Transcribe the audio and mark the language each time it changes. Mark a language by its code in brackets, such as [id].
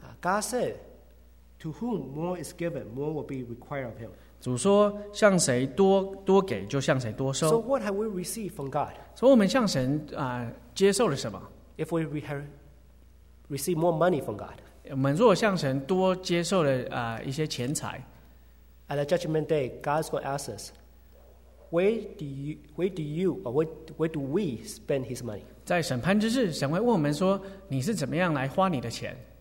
[en] God said, to whom more is given, more will be required of him. [zh] 主说向谁多给就向谁多收。 [en] So what have we received from God? [zh] 所以我们向神, 接受了什么? [en] If we have received more money from God, [zh] 我们如果向神多接受了, 一些钱财, [en] at the judgment day, God's going to ask us, Where do we spend his money? [zh] 在审判之日, 神会问我们说, 你是怎么样来花你的钱?